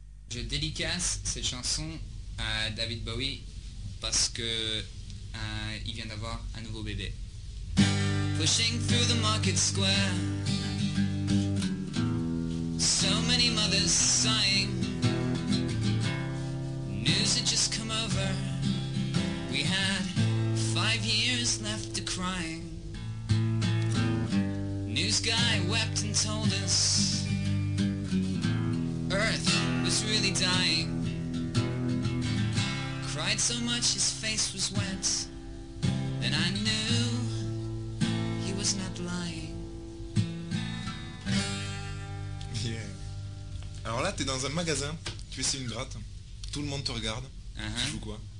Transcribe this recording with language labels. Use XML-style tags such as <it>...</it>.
<fr>Je dédicace cette chanson à David Bowie parce que il vient d'avoir un nouveau bébé.</fr> <en>Pushing through the market square, so many mothers sighing. News had just come over, we had 5 years left to crying. News guy wept and told us Earth was really dying. Cried so much his face was wet, then I knew he was not lying. Yeah.</en> <fr>Alors là t'es dans un magasin, tu essaies une gratte, tout le monde te regarde, tu joues quoi?</fr>